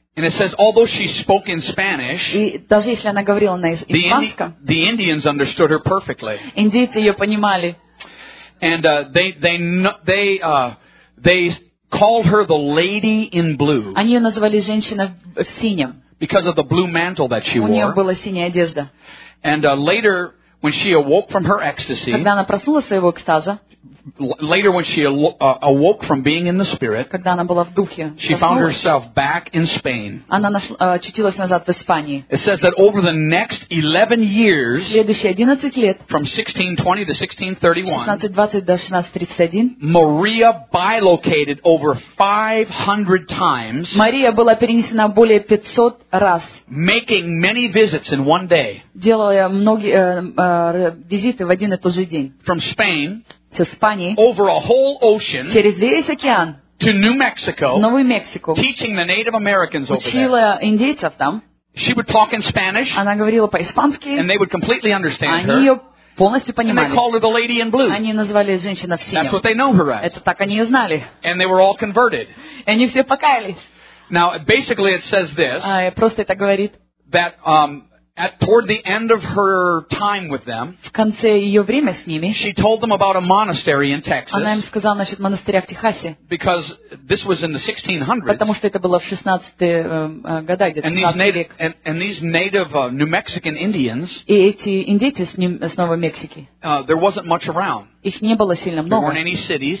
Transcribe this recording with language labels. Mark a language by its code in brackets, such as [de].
[en] And it says, although she spoke in Spanish, [ru] и даже если она говорила на испанском, [en] the Indians understood her perfectly. [ru] Индейцы ее понимали. [en] And they called her the lady in blue. [ru] Они ее называли женщина в синем. [en] because of the blue mantle that she wore. [ru] У неё была синяя одежда. [en] And later, when she awoke from her ecstasy, [ru] когда она проснулась своего экстаза, [en] later when she awoke from being in the spirit, [ru] когда она была в духе, [en] she found herself back in Spain. [ru] Она очутилась назад в Испании. [en] It says that over the next 11 years, [ru] следующие 11 лет, [en] from 1620 to 1631, [ru] 1620 до 1631, [en] Maria bilocated over 500 times. [ru] Мария была перенесена более 500 раз. [en] Making many visits in one day. [ru] Делая многие визиты в один и тот же день. [en] From Spain. [ru] С Испании, [en] over a whole ocean, [ru] через весь океан, [en] to New Mexico, [ru] Новую Мексику, [en] teaching the Native Americans over there. [ru] Учила индейцев там. [en] She would talk in Spanish, [ru] она говорила по-испански, [en] and they would completely understand [ru] они [en] her. [ru] Ее полностью понимали. [en] And they called her the Lady in Blue. [ru] Они называли женщину в синем. [en] That's what they know her as. [ru] Это так они ее знали. [en] And they were all converted. [ru] И они все покаялись. [en] Now, basically, it says this. [ru] Просто это говорит. [en] That at toward the end of her time with them, [ru] в конце ее время с ними, [en] she told them about a monastery in Texas. [ru] Она им сказала насчет монастыря в Техасе. [en] Because this was in the 1600s. [ru] Потому что это было в 16 годах, где-то 16 век. [en] And these native New Mexican Indians, [ru] и эти индейцы с Новой Мексики, [en] there wasn't much around. [ru] Их не было сильно много. [en] There weren't any cities.